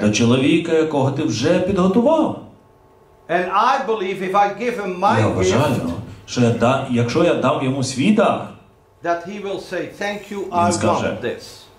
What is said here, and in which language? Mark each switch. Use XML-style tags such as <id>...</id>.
<uk>До чоловіка, якого ти вже підготував.</uk> <en>And I believe if I give him my gift.</en> <uk>Я вважаю, що якщо я дам йому свій дар,</uk> <en>that he will say thank you, I want this.</en>